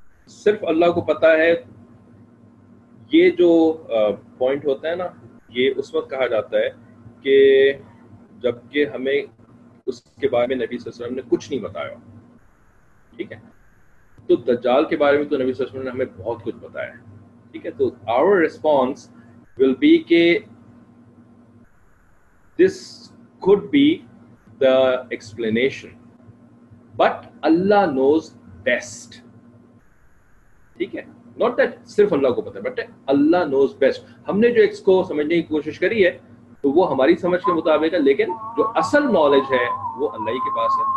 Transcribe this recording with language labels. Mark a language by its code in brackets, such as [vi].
[ur] صرف اللہ کو پتا ہے. یہ جو پوائنٹ ہوتا ہے نا, یہ اس وقت کہا جاتا ہے کہ جبکہ ہمیں اس کے بارے میں نبی صلی اللہ علیہ وسلم نے کچھ نہیں بتایا. ٹھیک ہے, تو دجال کے بارے میں تو نبی صلی اللہ علیہ وسلم نے ہمیں بہت کچھ بتایا ہے. ٹھیک ہے, [en] تو our response will be کہ this could be the explanation, but Allah knows best. [ur] ٹھیک ہے, [en] not that [ur] صرف اللہ کو پتا ہے, [en] But Allah knows best. [ur] ہم نے جو اس کو سمجھنے کی کوشش کری ہے تو وہ ہماری سمجھ کے مطابق ہے, لیکن جو اصل نالج ہے وہ اللہ ہی کے پاس ہے.